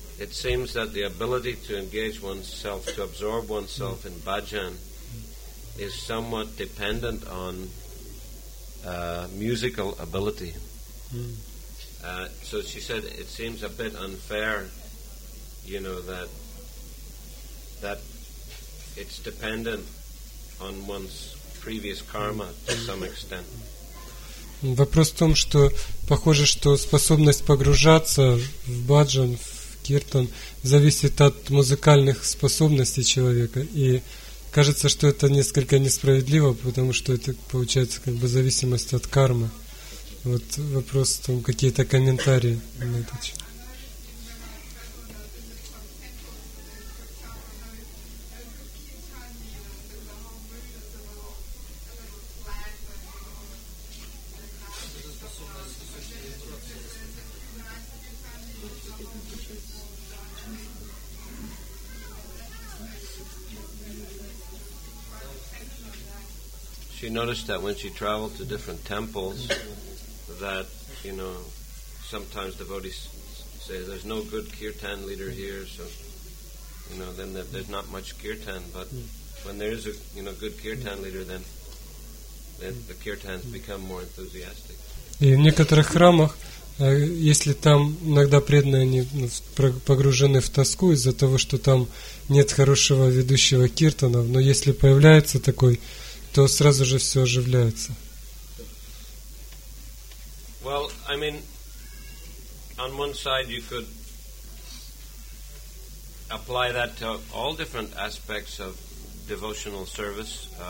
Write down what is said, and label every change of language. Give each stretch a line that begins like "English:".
English: Seems that the ability to engage oneself, to absorb oneself in bhajan, is somewhat dependent on musical ability. So she said, it seems a bit unfair, you know, that it's dependent on one's previous karma to some extent.
Russian: Вопрос в том, что похоже, что способность погружаться в бхаджан, в киртан, зависит от музыкальных способностей человека. И кажется, что это несколько несправедливо, потому что это получается как бы зависимость от кармы. Вот вопрос, там какие-то комментарии на этот счет.
English: Noticed that when she traveled to different temples, that, you know, sometimes devotees say there's no good kirtan leader here, so, you know, then there's not much kirtan. But when there is a, you know, good kirtan leader, then the kirtans become more enthusiastic.
Russian: И в некоторых храмах, если там иногда преданные, они погружены в тоску из-за того, что там нет хорошего ведущего киртанов, но если появляется такой, то сразу же все оживляется.
English: Well, I mean, on one side you could apply that to all different aspects of devotional service.